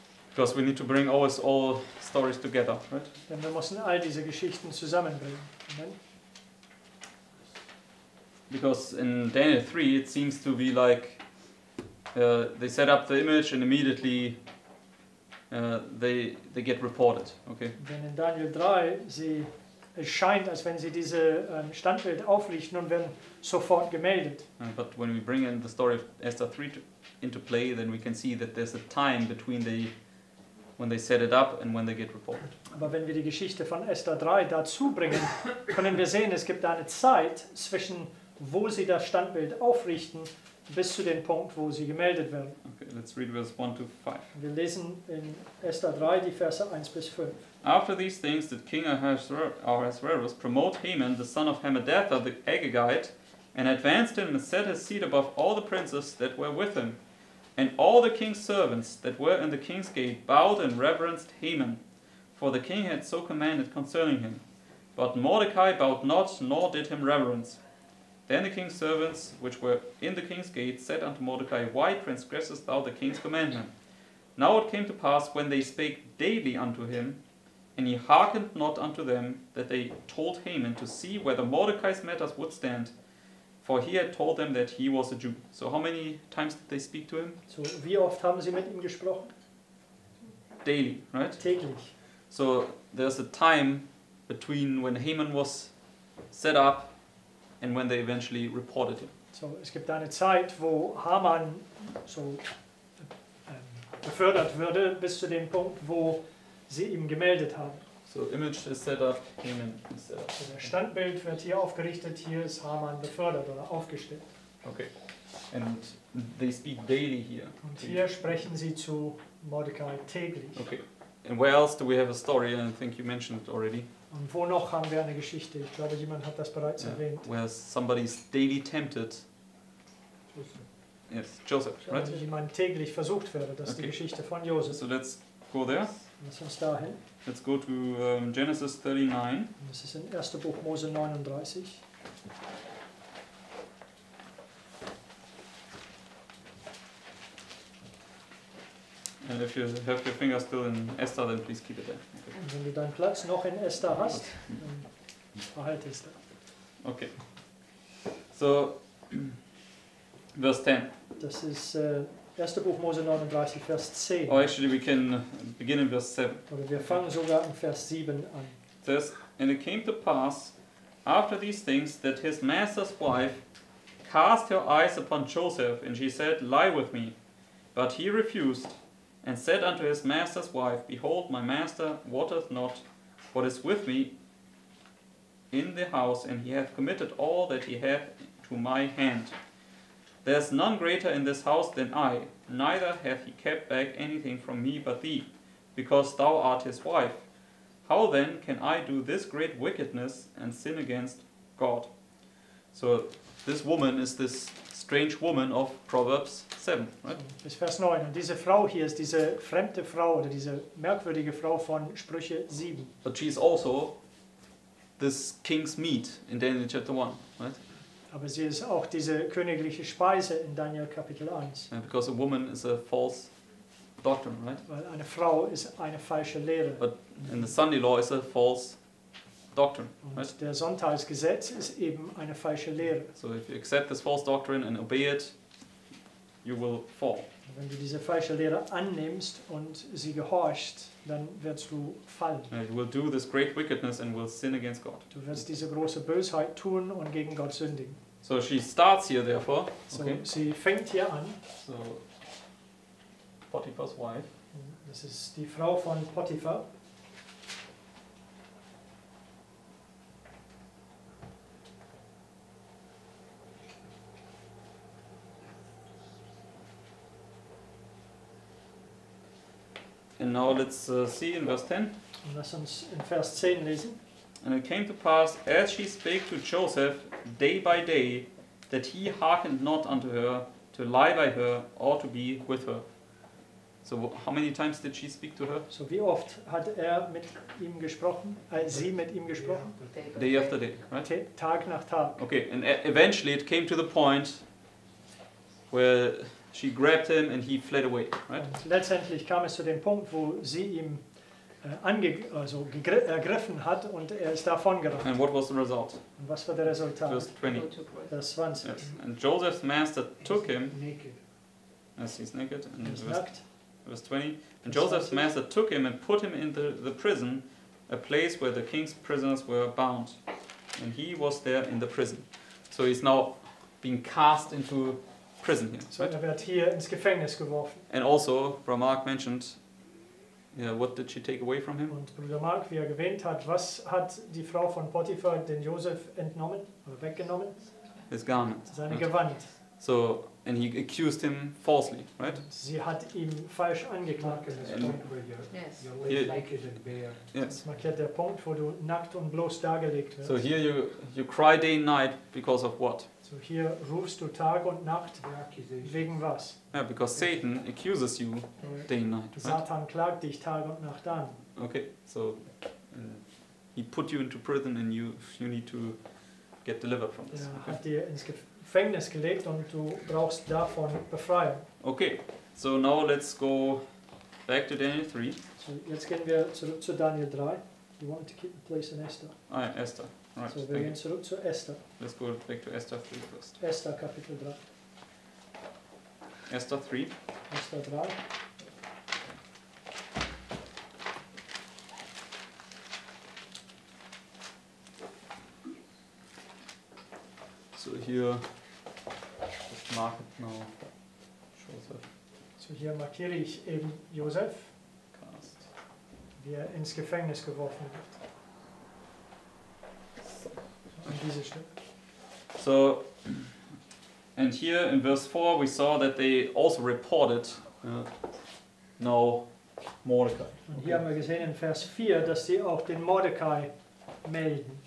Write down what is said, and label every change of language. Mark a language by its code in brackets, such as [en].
[en] Because we need to bring all stories together, right? [de] Denn wir müssen all diese Geschichten zusammenbringen. Amen. [en] Because in Daniel 3 it seems to be like they set up the image and immediately they get reported, okay? [de] Denn in Daniel 3 es scheint, als wenn sie diese Standbild aufrichten und werden sofort gemeldet. [en] But when we bring in the story of Esther 3 into play, then we can see that there's a time between the when they set it up and when they get reported. [de] Aber wenn wir die Geschichte von Esther 3 dazu bringen, können wir sehen, es gibt eine Zeit zwischen wo sie das Standbild aufrichten bis zu dem Punkt, wo sie gemeldet werden. [en] Okay, let's read verse 1 to 5. [de] Wir lesen in Esther 3 die Verse 1 bis 5. [en] After these things did King Ahasuerus promote Haman, the son of Hammedatha, the Agagite, and advanced him and set his seat above all the princes that were with him. And all the king's servants that were in the king's gate bowed and reverenced Haman, for the king had so commanded concerning him. But Mordecai bowed not, nor did him reverence. Then the king's servants, which were in the king's gate, said unto Mordecai, Why transgressest thou the king's commandment? Now it came to pass, when they spake daily unto him, and he hearkened not unto them, that they told Haman to see whether Mordecai's matters would stand, for he had told them that he was a Jew. So how many times did they speak to him? [de] So wie oft haben sie mit ihm gesprochen? [en] Daily, right? [de] Täglich. [en] So there's a time between when Haman was set up and when they eventually reported him. [de] So es gibt eine Zeit, wo Haman so befördert würde bis zu dem Punkt, wo sie ihm gemeldet haben. [en] So, image is set up, Haman is set up. [de] Der Standbild wird hier aufgerichtet, hier ist Haman befördert oder aufgestellt. [en] Okay, and they speak daily here. [de] Und hier sprechen sie zu Mordecai täglich. [en] Okay, and where else do we have a story? I think you mentioned it already. [de] Und wo noch haben wir eine Geschichte? Ich glaube, jemand hat das bereits erwähnt. [en] Where somebody is daily tempted. Joseph. Yes, Joseph, right? [de] Wenn jemand täglich versucht werde, das ist die Geschichte von Joseph. [en] So, let's go there. [de] Lass uns dahin. [en] Let's go to Genesis 39. [de] Das ist in 1. Buch Mose 39. [en] And if you have your finger still in Esther, then please keep it there. Okay. [de] Und wenn du deinen Platz noch in Esther hast, dann behalte es da. Okay. So, Vers 10. Das ist Erste Buch Mose 39, Vers 10. [en] Oh, actually, we can begin in verse 7. [de] Oder wir fangen sogar in Vers 7 an. [en] It says, and it came to pass after these things that his master's wife cast her eyes upon Joseph, and she said, lie with me. But he refused, and said unto his master's wife, behold, my master wotteth not what is with me in the house, and he hath committed all that he hath to my hand. There is none greater in this house than I, neither hath he kept back anything from me but thee, because thou art his wife. How then can I do this great wickedness and sin against God? So this woman is this strange woman of Proverbs 7, right? [de] Bis Vers 9. Und diese Frau hier ist diese fremde Frau oder diese merkwürdige Frau von Sprüche 7. [en] But she is also this king's meat in Daniel chapter 1, right? [de] Aber sie ist auch diese königliche Speise in Daniel Kapitel 1. [en] Yeah, because a woman is a false doctrine, right? [de] Weil eine Frau ist eine falsche Lehre. [en] But in the Sunday law is a false doctrine. [de] Und [en] right? [de] Der Sonntagsgesetz ist eben eine falsche Lehre. [en] So if you accept this false doctrine and obey it, you will fall. [de] Wenn du diese falsche Lehre annimmst und sie gehorchst, dann wirst du fallen. [en] Yeah, you will do this great wickedness and will sin against God. [de] Du wirst diese große Bösheit tun und gegen Gott sündigen. [en] So she starts here, therefore. [de] So okay. Sie fängt hier an. [en] So Potiphar's wife. [de] Das ist die Frau von Potiphar. [en] And now let's see in verse 10. [de] Und lass uns in Vers 10 lesen. [en] And it came to pass, as she spake to Joseph day by day, that he hearkened not unto her to lie by her or to be with her. So how many times did she speak to her? [de] So wie oft hat er mit ihm gesprochen, sie mit ihm gesprochen? [en] Yeah. Day after day, right? [de] Tag nach Tag. [en] Okay, and eventually it came to the point where she grabbed him and he fled away, right? [de] Und letztendlich kam es zu dem Punkt, wo sie ihm ergriffen hat und er ist davon gerannt. [en] And what was the result? [de] Und was war der Resultat? [en] Verse 20. [de] Vers 20. [en] Yes. And Joseph's master took him. Naked. Yes, he's naked. And he's nackt. Verse 20. And Joseph's 20. Master took him and put him in the prison, a place where the king's prisoners were bound. And he was there in the prison. So he's now being cast into prison here. [de] So er wird hier ins Gefängnis geworfen. [en] And also, Brother Mark mentioned, yeah, what did she take away from him? [de] Und Bruder Mark, wie er erwähnt hat, was hat die Frau von Potiphar den Joseph entnommen oder weggenommen? [en] His garment. [de] Seine right. Gewand. [en] So, and he accused him falsely, right? [de] Sie hat ihn falsch angeklagt. [en] Yes. Yes. [de] Das markiert der Punkt, wo du nackt und bloß dargelegt wirst. [en] So here you cry day and night because of what? [de] So hier rufst du Tag und Nacht wegen was? [en] Yeah, because Satan accuses you day and night. Right? [de] Satan klagt dich Tag und Nacht an. [en] Okay, so he put you into prison and you need to get delivered from this. [de] Er hat dir ins Gefängnis gelegt und du brauchst davon Befreiung. [en] Okay, so now let's go back to Daniel 3. [de] So jetzt gehen wir zurück zu Daniel 3. [en] You wanted to keep the place in Esther. Ah, yeah, Esther. Right, [de] so wir gehen zurück zu Esther. [en] Let's go back to Esther 3 first. [de] Esther Kapitel 3. Esther 3. Esther 3. [en] So here, just mark it now, Joseph. [de] So hier markiere ich eben Joseph, [en] cast. [de] Wie er ins Gefängnis geworfen wird. [en] So, and here in verse 4 we saw that they also reported now Mordecai. [de] Und hier haben wir gesehen in Vers 4, dass sie auch den Mordecai melden.